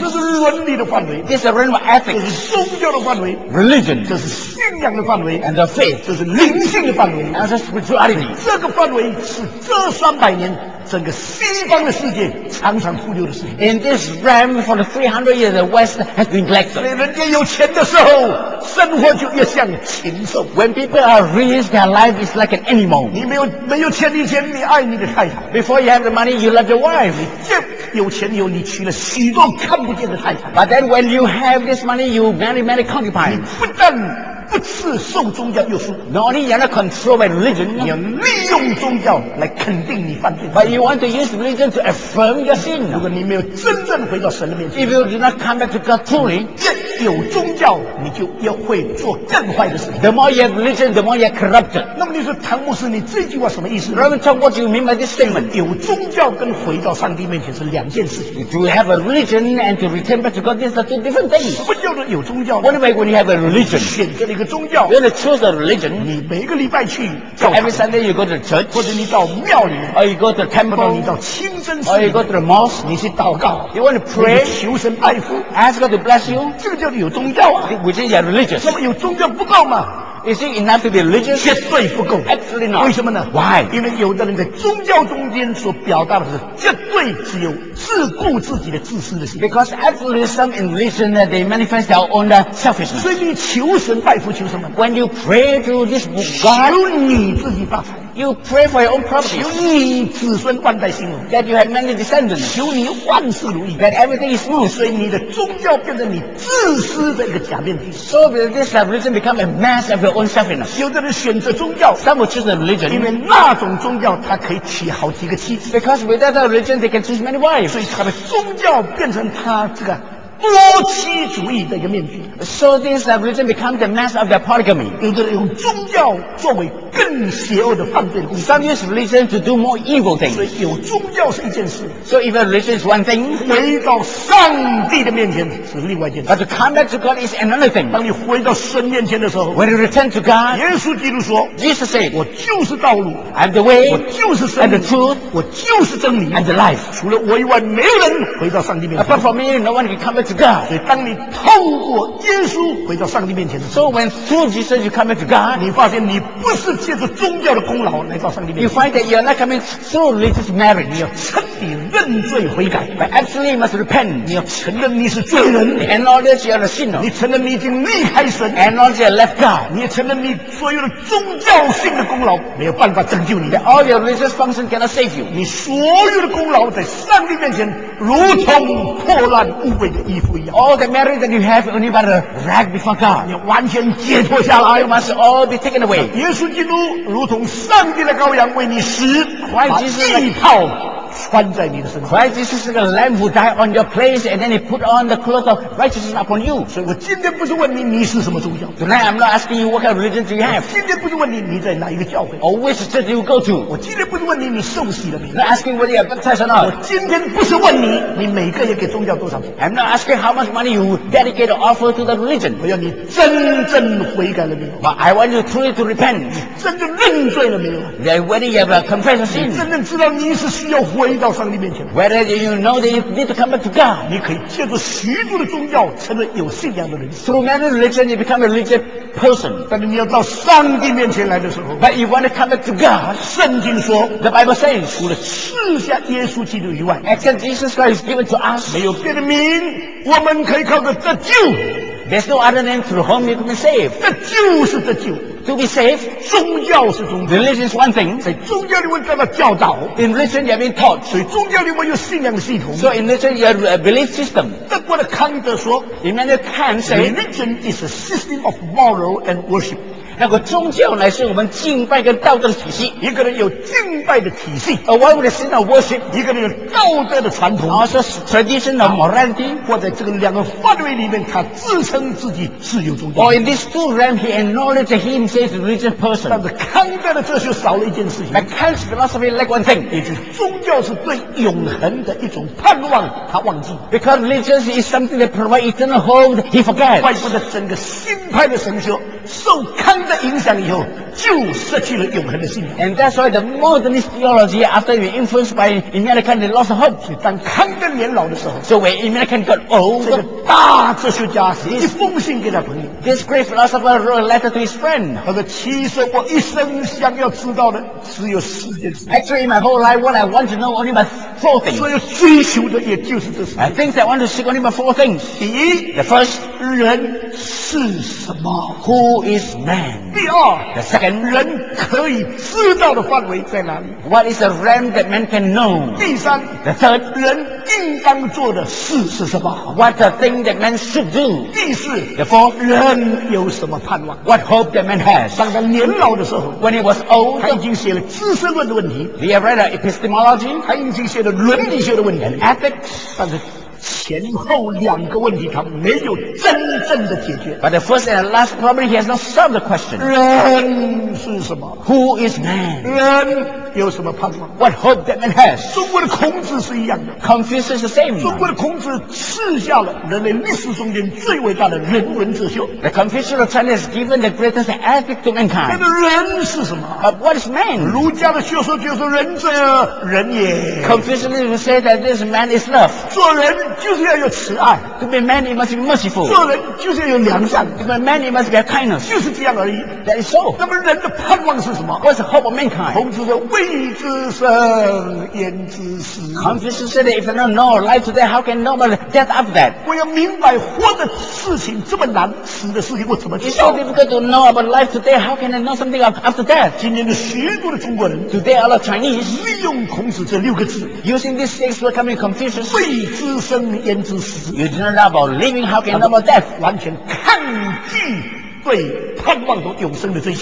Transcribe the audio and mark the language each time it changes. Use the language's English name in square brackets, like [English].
[Chinese] 这是伦理的范围 [English] This is the realm of ethics [Chinese] 这是宗教的范围 [English] ，religion [Chinese] 就是信仰的范围 [English] ，and the faith [Chinese] 就是灵性的范围 [English] ，and the spirituality [Chinese] 这个范围是这三百年整个西方的世界常常忽略的事情。 [English] In this realm for the 300 years, the West has been neglected. [Chinese] 所以人家有钱的时候，生活就越像禽兽。 [English] When people are rich, their life is like an animal. [Chinese] 你没有钱以前，你爱你的太太。 [English] Before you have the money, you love your wife. [Chinese] 你见有钱以后，你娶了许多看不见的太太。 [English] But then when you have this money, you marry many concubines. [Chinese] 你不但不是受宗教约束 [English] ，not only you're not controlled by religion， [Chinese] 你要利用宗教来肯定你犯罪。 [English] But you want to use religion to affirm your sin。 [Chinese] 如果你没有真正回到神的面前 [English] ，if you do not come back to God truly， [Chinese] 有宗教你就要会做更坏的事情。 [English] The more you have religion, the more you are corrupted。 [Chinese] 那么你说唐牧师，你这句话什么意思 [English] ？Reverend Chan, what do you mean by this statement？ [Chinese] 有宗教跟回到上帝面前是两件事情。 [English] To have a religion and to return back to God, these are two different things。 [Chinese] 什么叫做有宗教 [English] ？What do you mean when you have a religion？ [Chinese] 选择一个宗教 [English] ，When you choose a religion， [Chinese] 你每个礼拜去教堂 [English] ，Every Sunday you go to church， [Chinese] 或者你到庙里 [English] ，Or you go to temple， [Chinese] 你到清真寺 [English] ，Or you go to the mosque， [Chinese] 你去祷告 [English] ，You want to pray， [Chinese] 求神拜佛 [English] ，Ask God to bless you， [Chinese] 这个叫做有宗教啊 [English] ，Which is religious。 [Chinese] 那么有宗教不够吗？ [English] Is it enough to be religious? [Chinese] 绝对不够 [English] Absolutely not. [Chinese] 为什么呢 [English] Why? [Chinese] 因为有的人在宗教中间所表达的是绝对只有自顾自己的自私的心 [English] Because absolutely some in religion they manifest their own selfishness. [Chinese] 所以你求神拜佛求什么 [English] When you pray to this God [Chinese] 求你自己发财 [English] You pray for your own property. [Chinese] 求你子孙万代兴隆 [English] That you have many descendants. [Chinese] 求你万事如意 [English] That everything is smooth. [Chinese] 所以你的宗教变成你自私的一个假面体 [English] So this religion become a mass of your own selfishness. [Chinese] 有的人选择宗教 [English] Some will choose a religion. [Chinese] 因为那种宗教他可以娶好几个妻子 [English] Because without that religion they can choose many wives. [Chinese] 所以他的宗教变成他这个多妻主义的一个面具 [English] So this religion becomes the mask of their polygamy. [Chinese] 有的人用宗教作为更邪恶的犯罪的工具 [English] Some use religion to do more evil things. [Chinese] 所以有宗教是一件事 [English] So if a religion is one thing, [Chinese] 回到上帝的面前是另外一件事 [English] But to come back to God is another thing. [Chinese] 当你回到神面前的时候 [English] When you return to God, [Chinese] 耶稣基督说 [English] Jesus said, [Chinese] 我就是道路 [English] I'm the way, [Chinese] 我就是生命 [English] and the truth, [Chinese] 我就是真理 [English] and the life. [Chinese] 除了我以外没有人回到上帝面前 [English] But for me, no one can come back to God. [Chinese] 所以当你透过耶稣回到上帝面前的时候 [English] So when through Jesus you come back to God [Chinese] 你发现你不是借着宗教的功劳来到上帝面前 [English] You find that you are not coming through religious merit [Chinese] 你要彻底认罪悔改 [English] But absolutely you must repent [Chinese] 你要承认你是罪人 [English] Acknowledge you are a sinner [Chinese] 你承认你已经离开神 [English] Acknowledge you are left God [Chinese] 你也承认你所有的宗教性的功劳没有办法拯救你 [English] That all your religious function cannot save you [Chinese] 你所有的功劳在上帝面前如同破烂污秽的衣服 [English] All the merit that you have only but a rag before God. [Chinese] 你完全解脱下来 [English] You must all be taken away. [Chinese] 耶稣基督如同上帝的羔羊为你死 [English] Christ [Chinese] 把祭袍穿在你的身上 [English] Christ is like a lamb who died on your place and then he put on the cloth of righteousness upon you. [Chinese] 所以我今天不是问你你是什么宗教 [English] Tonight I'm not asking you what kind of religion do you have. [Chinese] 今天不是问你你在哪一个教会 [English] Or which church you go to. [Chinese] 我今天不是问你你受洗了没有 [English] Not asking whether you are baptized or not. [Chinese] 我今天不是问你你每个月给宗教多少 [English] I'm not asking how much money you dedicate or offer to the religion. [Chinese] 我要你真正悔改了没有 [English] But I want you truly to repent. [Chinese] 你真正认罪了没有 [English] Then whether you have a confession [Chinese] 你真正知道你是需要悔回到上帝面前 [English] Whether you know that you need to come back to God [Chinese] 你可以借助许多的宗教成为有信仰的人 [English] Through many religions you become a religious person [Chinese] 但是你要到上帝面前来的时候 [English] But you want to come back to God [Chinese] 圣经说 [English] The Bible says [Chinese] 除了赐下耶稣基督以外 [English] Except Jesus Christ is given to us [Chinese] 没有别的名我们可以靠着得救 [English] There's no other name through whom you can be saved [Chinese] 得救是得救 [English] To be safe, [Chinese] 宗教是宗教 [English] Religion is one thing. [Chinese] 所以宗教里面叫做教导 [English] In religion, you have been taught. [Chinese] 所以宗教里面有信仰系统 [English] So in religion, you have a belief system. [Chinese] 德国的康德说 [English] Immanuel Kant said, Religion is a system of moral and worship. [Chinese] 那个宗教乃是我们敬拜跟道德的体系。一个人有敬拜的体系 [English] ，A one with a system of worship. [Chinese] 一个人有道德的传统 [English] ，Also tradition of morality. [Chinese] 或者这个两个范围里面，他自称自己是有宗教。 [English] Or in these two realms, he acknowledges himself as a religious person. [Chinese] 但是康德的哲学少了一件事情。 [English] But Kant's philosophy lack one thing. [Chinese] 也就是宗教是对永恒的一种盼望，他忘记。 [English] Because religion is something that provides eternal hope, he forgets. [Chinese] 怪不得整个新派的神学受康的影响以后，就失去了永恒的信仰。 [English] And that's why the modernist theology, after being influenced by America, they lost hope. [Chinese] 当康德年老的时候 [English] ，So when America got old, [Chinese] 这个大哲学家写一封信给他朋友 [English] ，This great philosopher wrote a letter to his friend. [Chinese] 他说：“其实我一生想要知道的只有四件事。 [English] Actually, in my whole life, what I want to know only about four things. [Chinese] 所有追求的也就是这四。 [English] I think I want to seek only about four things. [Chinese] 第一 [English] ，The first [Chinese] 人是什么 [English] ？Who is man？ [Chinese] 第二 [English] ，The second。 [Chinese] 人可以知道的范围在哪里 [English] ？What is the realm that man can know？ [Chinese] 第三 [English] ，The third， [Chinese] 人应当做的事是什么 [English] ？What the thing that man should do？ [Chinese] 第四 [English] ，The fourth， [Chinese] 人有什么盼望 [English] ？What hope that man has？ [Chinese] 当他年老的时候 [English] ，When he was old， [Chinese] 他已经写了知识论的问题 [English] ，He had read an epistemology， [Chinese] 他已经写了伦理学的问题 [English] ，And ethics， [Chinese] 但是。前后两个问题他没有真正的解决 [English] But the first and the last problem he has not solved the question [Chinese] 人是什么 [English] Who is man [Chinese] 人有什么盼望 [English] What hope that man has [Chinese] 中国的孔子是一样的 [English] Confucius is the same [Chinese] 中国的孔子赐下了人类历史中间最伟大的人文哲学 [English] The Confucius of China has given the greatest ethic to mankind [Chinese] 那么人是什么 [English] But what is man [Chinese] 儒家的学说就是仁者仁也 [English] Confucius even said that this man is love [Chinese] 做人就是要有慈爱 [English] To be a man, he must be merciful [Chinese] 做人就是要有良善 [English] To be a man, he must be a kindness [Chinese] 就是这样而已 [English] That is so [Chinese] 那么人的盼望是什么 [English] What's the hope of mankind? [Chinese] 孔子说未知生焉知死 [English] Confucius said if you don't know life today How can you know about death after that? [Chinese] 我要明白活的事情这么难死的事情我怎么知道 [English] It's so difficult to know about life today How can I know something after death? [Chinese] 今天的许多的中国人 [English] Today a lot of Chinese [Chinese] 利用孔子这六个字 [English] Using this six word coming Confucius [Chinese] 未知生焉知死 [English] You do not know about living How can you know about death [Chinese] 完全抗拒对盼望和永生的追求